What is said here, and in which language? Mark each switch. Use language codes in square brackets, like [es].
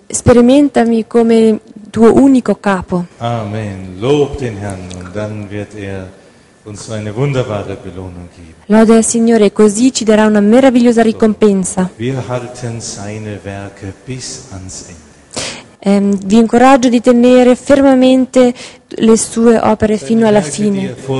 [it] sperimentami come tuo unico capo. Amen. [de] Lob den Herrn und dann wird er uns eine wunderbare Belohnung geben. [it] Lode al Signore, così ci darà una meravigliosa ricompensa. [de] Wir halten seine Werke bis ans Ende. [it] Vi incoraggio di tenere fermamente le sue opere fino alla fine.